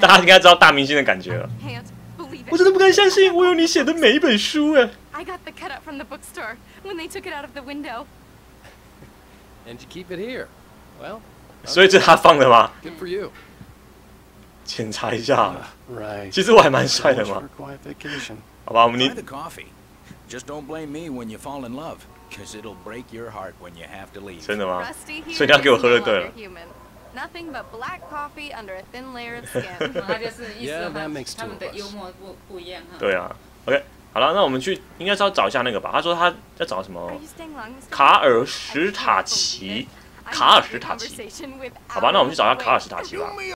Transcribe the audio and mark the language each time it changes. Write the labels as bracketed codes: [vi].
[zh] 大家应该知道大明星的感觉了。我真的不敢相信，我有你写的每一本书哎。 [en] I got the cutout from the bookstore when they took it out of the window. And you keep it here. Well. [zh] 所以这是他放的吗 [en] ？Good for you. [zh] 检查一下。 [en] Right. [zh] 其实我还蛮帅的嘛。 [en] Qualification. [zh] 好吧，我们。 [en] Try the coffee. Just don't blame me when you fall in love, because it'll break your heart when you have to leave. [zh] 真的吗？所以你要给我喝就对了。 [en] Nothing but black coffee under a thin layer of skin. [zh] 他就是意思嘛，他们的幽默不一样哈。对啊 ，OK， 好了，那我们去，应该是要找一下那个吧。他说他要找什么？卡尔什塔奇，卡尔什塔奇。好吧，那我们去找一下卡尔什塔奇吧。